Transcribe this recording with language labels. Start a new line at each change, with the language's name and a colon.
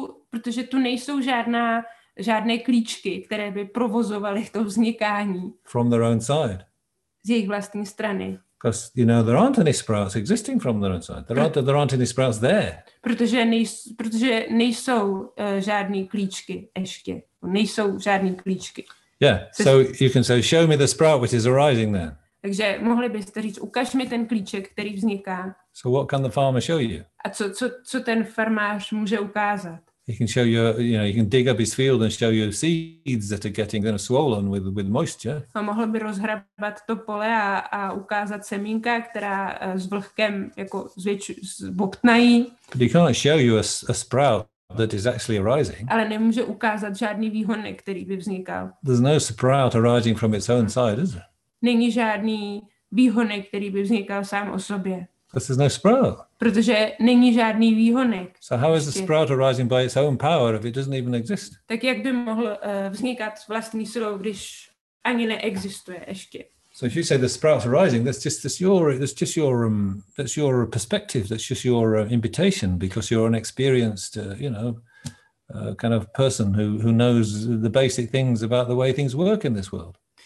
Czech: Protože tu nejsou žádné klíčky, které by provozovaly to vznikání.
English: From their own side.
Czech: Z jejich vlastní strany.
English: Because you know there aren't any sprouts existing from their own side. There aren't any sprouts there.
Czech: Protože nejsou žádný klíčky ještě. Nejsou žádný klíčky.
English: Yeah. So you can say, show me the sprout which is arising there.
Czech: Takže mohli byste říct, ukaž mi ten klíček, který vzniká.
English: So what can the farmer show you?
Czech: A co ten farmář může ukázat?
English: He can show you, you know, he can dig up his field and show you seeds that are getting kind of swollen with moisture.
Czech: A mohl by rozhrabat to pole a ukázat semínka, která s vlhkem jako zbobtnají.
English: But he can't show you a sprout that is actually arising.
Czech: Ale nemůže ukázat žádný výhonek, který by vznikal.
English: There's no sprout arising from its own side, is there?
Czech: Není žádný výhonek, který by vznikal sám o sobě.
English: Because there's no sprout.
Czech: Protože není žádný výhonek.
English: So how is the sprout arising by its own power if it doesn't even exist?
Czech: Tak jak by mohl vznikat vlastní silou, když ani neexistuje ještě?
English: So if you say the sprout's arising, that's just your perspective, that's just your imputation, because you're an experienced, you know, kind of person who knows the basic things about the way things work in this world.